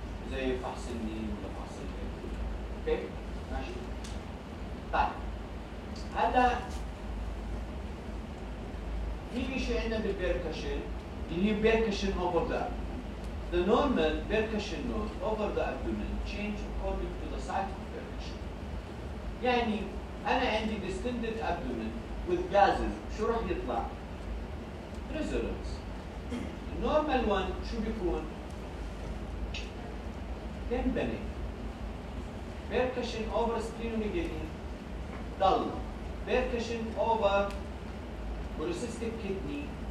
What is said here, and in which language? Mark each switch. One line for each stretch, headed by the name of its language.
Arabic: زي فحص النيم ولا فحص الكلى اوكي؟ ماشي؟ طيب هذا في شيء عندنا بالبيركشن اللي بيركشن اوفر ذا
English: The normal percussion note over the abdomen change according to the site of percussion.
Arabic: يعني أنا عندي
English: distended abdomen with gases.
Arabic: شو رح يطلع؟ Resonance.
English: The normal one
Arabic: شو بيكون؟
English: Tympanic. Percussion over splenomegaly. Dull. Percussion over polycystic kidney.